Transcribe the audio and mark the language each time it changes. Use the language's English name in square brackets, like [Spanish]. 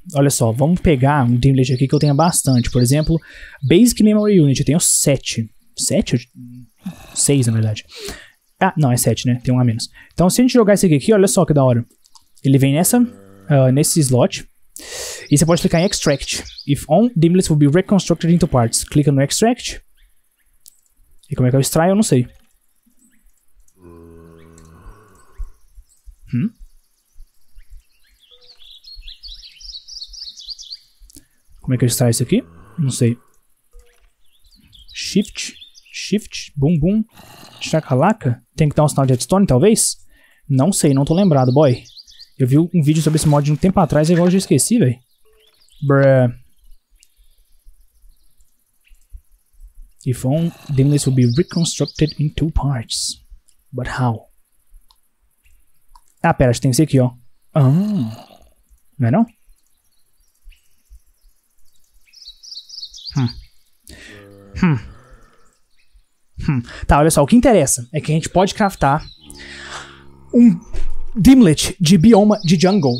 [Portuguese] Olha só, vamos pegar um dimlet aqui que eu tenha bastante. Por exemplo, Basic Memory Unit. Eu tenho 7. 7? 6, na verdade. Ah, não, é 7, né? Tem um a menos. Então, se a gente jogar esse aqui, olha só que da hora. Ele vem nessa, nesse slot. E você pode clicar em Extract. [English] If on, dimlets will be reconstructed into parts. [Portuguese] Clica no Extract. E como é que eu extraio? Eu não sei. Como é que eu extraio isso aqui? Não sei. Shift. Shift. Boom, boom. Chacalaca. Tem que dar um sinal de headstone, talvez? Não sei, não tô lembrado, boy. Eu vi um vídeo sobre esse mod um tempo atrás e agora eu já esqueci, velho. Bruh. [English] If on, dimlets will be reconstructed in two parts. But how? [Portuguese] Ah, pera, acho que tem esse aqui, ó. Ah. Não é não? Tá, olha só, o que interessa é que a gente pode craftar um dimlet de bioma de jungle.